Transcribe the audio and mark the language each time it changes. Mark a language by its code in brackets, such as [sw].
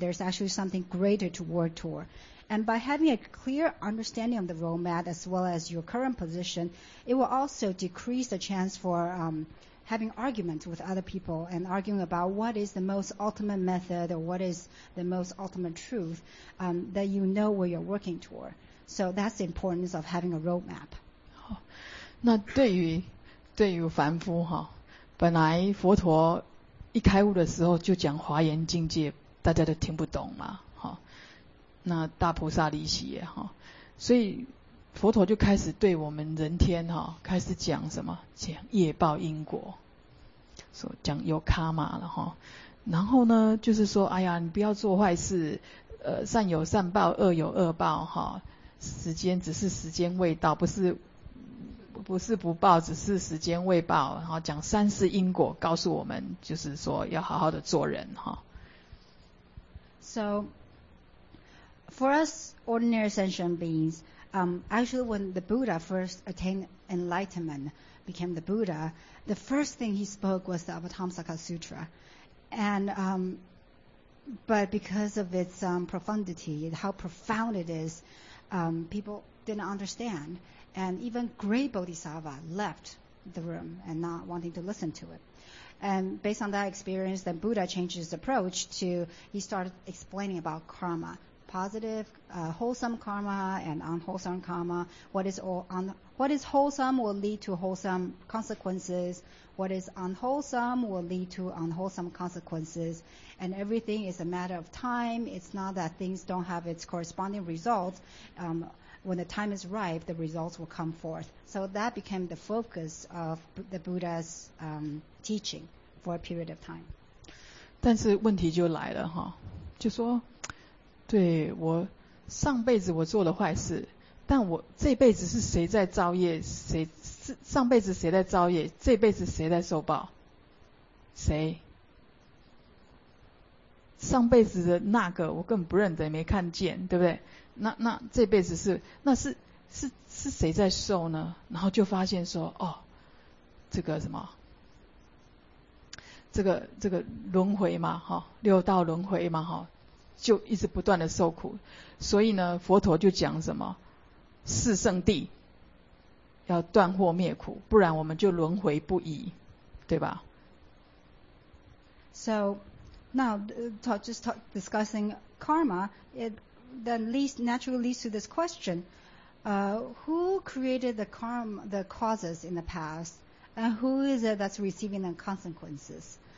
[en] There's actually something greater to work toward. And by having a clear understanding of the roadmap as well as your current position, it will also decrease the chance for having arguments with other people and arguing about what is the most ultimate method or what is the most ultimate truth that you know where you're working toward. So that's the importance of having a roadmap. [zh] 那对于凡夫哈，本来佛陀一开悟的时候就讲华严境界，大家都听不懂嘛，那大菩萨离席也，所以佛陀就开始对我们人天开始讲什么，讲业报因果，说讲有卡玛了，然后呢就是说，哎呀，你不要做坏事，善有善报，恶有恶报，时间只是时间未到，不是不报，只是时间未报。然后讲三世因果，告诉我们就是说要好好的做人哈。 [en] So, for us ordinary sentient beings, actually, when the Buddha first attained enlightenment, became the Buddha, the first thing he spoke was the Avatamsaka Sutra, and but because of its profundity, how profound it is, people didn't understand. And even great bodhisattva left the room and not wanting to listen to it. And based on that experience, then Buddha changed his approach to, he started explaining about karma, positive, wholesome karma and unwholesome karma. What is wholesome will lead to wholesome consequences. What is unwholesome will lead to unwholesome consequences. And everything is a matter of time. It's not that things don't have its corresponding results. When the time is ripe, the results will come forth. So that became the focus of the Buddha's teaching for a period of time. [zh] 但是问题就来了哈，就说，对，我上辈子我做了坏事，但我这辈子是谁在造业？上辈子谁在造业？这辈子谁在受报？谁？上辈子的那个我根本不认得，没看见，对不对？那这辈子是谁在受呢？然后就发现说，哦，这个什么，这个轮回嘛，哈，六道轮回嘛，哈，就一直不断的受苦。所以呢，佛陀就讲什么，四圣谛，要断惑灭苦，不然我们就轮回不已，对吧 [en] ？So now discussing karma, that naturally leads to this question. Who created the karma, the causes in the past, and who is it that's receiving the consequences?